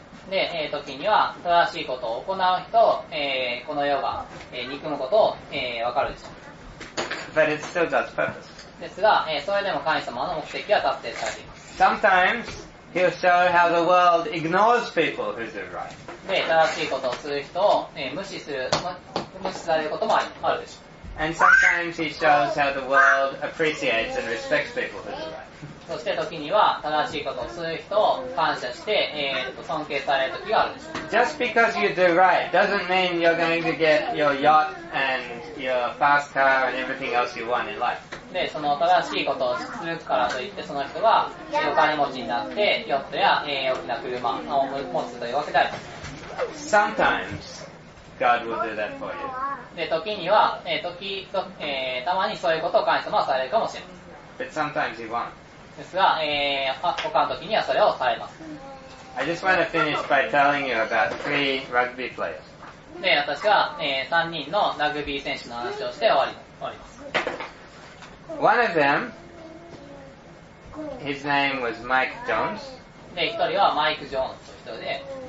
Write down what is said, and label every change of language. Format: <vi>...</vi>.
<ja>で、時には正しいことを行う人を、この世が、憎むことを、分かるでしょう。</ja> <en>But it's still God's purpose.</en> <ja>ですが、それでも神様の目的は達成されています。</ja> <en>Sometimes he'll show how the world ignores people who do right.</en> <ja>で、正しいことをする人を、無視されることもあるでしょう。</ja> <en>And sometimes he shows how the world appreciates and respects people who do right.</en> <ja>そして時には正しいことをする人を感謝して、尊敬される時があるでしょう。</ja> <en>Just because you do right doesn't mean you're going to get your yacht and your fast car and everything else you want in life.</en> <ja>で、その正しいことをするからといって、その人がお金持ちになって、ヨットや、大きな車を持つというわけである。</ja> <en>Sometimes God will do that for you.</en> <ja>で、時には、たまにそういうことを神様はされるかもしれません。</ja> <en>But sometimes he won't.</en> <ja>ですが、他の時にはそれをされます。</ja> <en>I just want to finish by telling you about three rugby players.</en> <ja>で、私は、3人のラグビー選手の話をして終わります。</ja> <en>One of them, his name was Mike Jones.</en> <ja>で、一人はマイク・ジョーンズという人で。</ja>